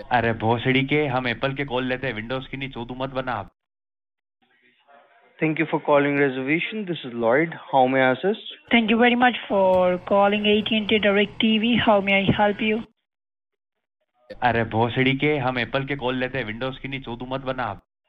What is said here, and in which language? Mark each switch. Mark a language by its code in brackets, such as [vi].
[hi] अरे भोसड़ी के हम Apple के call लेते हैं Windows की नहीं चोदू मत बना आप. [en] Thank you for calling reservation. This is Lloyd. How may I assist? Thank you very much for calling AT&T DirecTV. How may I help you? [hi] अरे भोसड़ी के हम Apple के call लेते हैं Windows की नहीं चोदू मत बना आप.